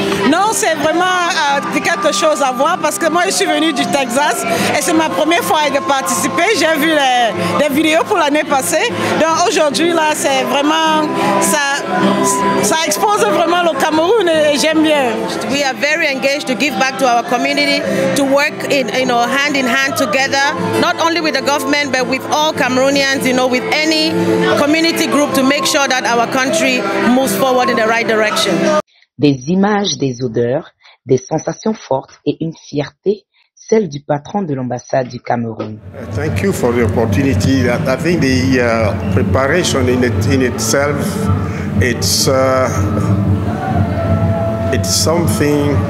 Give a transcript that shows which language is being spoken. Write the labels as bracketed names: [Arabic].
[French] Non, c'est vrai. vraiment quelque chose à voir parce que moi je suis venue du Texas et c'est ma première fois de participer. J'ai vu les vidéos pour l'année passée. Donc aujourd'hui là c'est vraiment ça expose vraiment le Cameroun et j'aime bien. [English] We are very engaged to give back to our community, to work in, you know, hand in hand together, not only with the government but with all Cameroonians, you know, with any community group to make sure that our country moves forward in the right direction. [French] Des images, des odeurs, des sensations fortes et une fierté, celle du patron de l'ambassade du Cameroun. [English] Thank you for the opportunity. I think the preparation in itself, it's something.